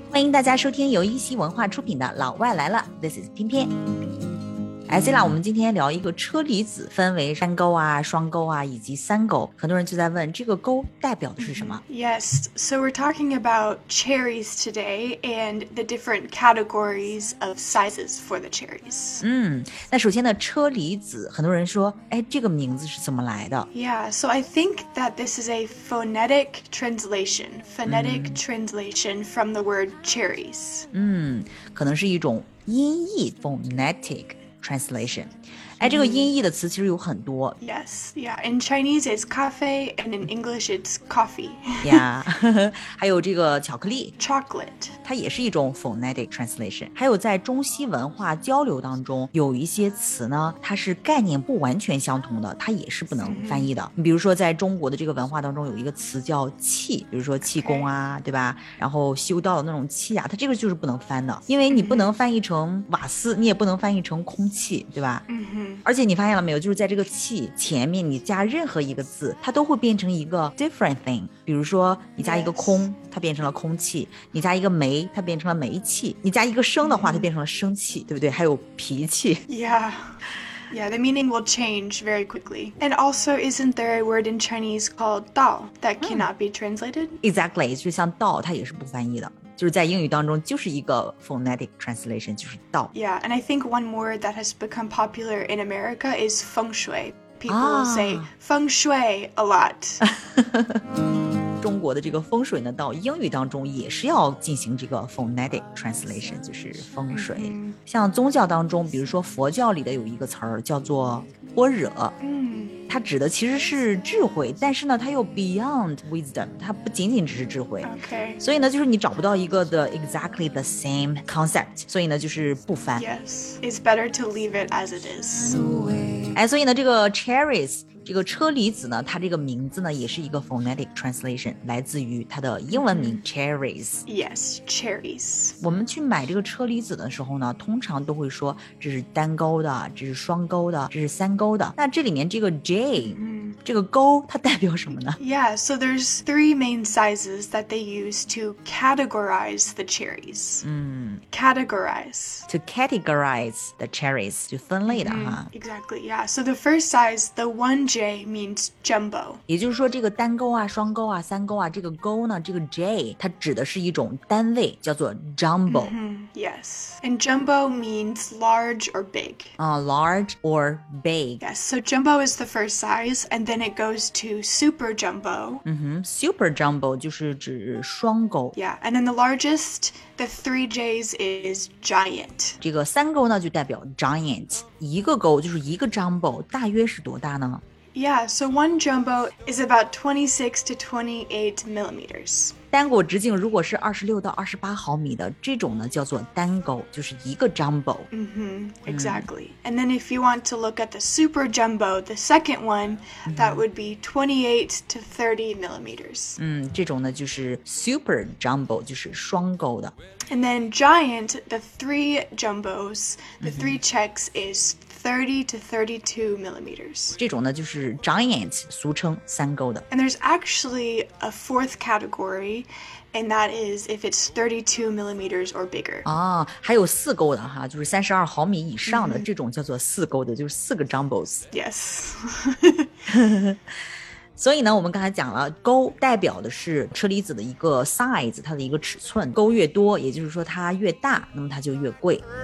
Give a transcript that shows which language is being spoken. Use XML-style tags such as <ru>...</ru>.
<zh>欢迎大家收听由一席文化出品的《老外来了》。</zh> <en>This is 翩翩。</en> <zh>哎，Sayla，我们今天聊一个车厘子，分为单勾啊、双勾啊，以及三勾。很多人就在问，这个勾代表的是什么？</zh> <en>Yes, so we're talking about cherries today and the different categories of sizes for the cherries.</en> <zh>那首先呢，车厘子，很多人说，哎，这个名字是怎么来的？</zh> <en>Yeah, so I think that this is a phonetic translation, translation from the word cherries.</en> <zh>可能是一种音译 phonetic.</zh> <en>Translation.</en> <zh>哎，这个音译的词其实有很多。 Yes, yeah.</zh> <en>In Chinese, it's cafe, and in English, it's coffee.</en> <zh>Yeah. 还有这个巧克力。</zh> <en>Chocolate.</en> <zh>它也是一种 phonetic translation. 还有在中西文化交流当中，有一些词呢，它是概念不完全相同的，它也是不能翻译的。比如说在中国的这个文化当中，有一个词叫气，比如说气功啊，对吧？然后修道的那种气啊，它这个就是不能翻的，因为你不能翻译成瓦斯，你也不能翻译成空气，对吧？而且你发现了没有，就是在这个气前面你加任何一个字，它都会变成一个</zh> <en>different thing。</en> <zh>比如说你加一个空、 yes. 它变成了空气，你加一个煤它变成了煤气，你加一个生的话、它变成了生气，对不对？还有脾气。</zh> <en>Yeah, the meaning will change very quickly. And also, isn't there a word in Chinese called 道 that cannot be translated?</en> <zh>Exactly, 就像道它也是不翻译的，就是在英语当中就是一个 phonetic translation, 就是道。</zh> <en>Yeah, and I think one more that has become popular in America is feng shui. People say feng shui a lot.</en> <zh>中国的这个风水呢，到英语当中也是要进行这个 phonetic translation, 就是风水。像宗教当中，比如说佛教里的有一个词儿叫做般若。它指的其实是智慧，但是呢它又</zh> <en>beyond wisdom,</en> <zh>它不仅仅只是智慧。 Okay. 所以呢就是你找不到一个</zh> <en>the exactly the same concept,</en> <zh>所以呢就是不翻。</zh> <en>Yes, it's better to leave it as it is.</en> <zh>哎，所以呢这个 cherries,这个车厘子呢，它这个名字呢也是一个 phonetic translation, 来自于它的英文名 cherries.</zh> <en>Yes, cherries.</en> <zh>我们去买这个车厘子的时候呢，通常都会说这是单勾的，这是双勾的，这是三勾的。那这里面这个 J,这个勾它代表什么呢？</zh> <en>Yeah, so there's three main sizes that they use to categorize the cherries. Categorize. To categorize the cherries,</en> <zh>就分类的哈。</zh> <en>Exactly, yeah. So the first size, the one J means jumbo.</en> <zh>也就是说这个单勾啊、双勾啊、三勾啊，这个勾呢，这个 J 它指的是一种单位，叫做 jumbo. Yes.</zh> <en>And jumbo means large or big. Large or big. Yes, so jumbo is the first size, and then it goes to super jumbo.</en> <zh>Super jumbo 就是指双勾。</zh> <en>Yeah, and then the largest, the three J's is giant.</en> <zh>这个三勾呢就代表 giant. 一个勾就是一个 jumbo, 大约是多大呢？</zh> <en>Yeah, so one jumbo is about 26 to 28 millimeters.</en> <zh>单果直径如果是26到28毫米的，这种呢叫做单勾，就是一个 jumbo.</zh> <en>Exactly. And then if you want to look at the super jumbo, the second one, that would be 28 to 30 millimeters.</en> <zh>这种呢就是 super jumbo, 就是双勾的。</zh> <en>And then giant, the three jumbos, the three checks is 30 to 32 millimeters.</en> <zh>这种呢就是 giant, 俗称三勾的。</zh> <en>And there's actually a fourth category, and that is if it's 32 millimeters or bigger.</en> <zh>还有四勾的哈，就是32毫米以上的，这种叫做四勾的，就是四个 jumbos. Yes. 所以呢我们刚才讲了勾代表的是车厘子的一个 size, 它的一个尺寸，勾越多也就是说它越大，那么它就越贵。</zh>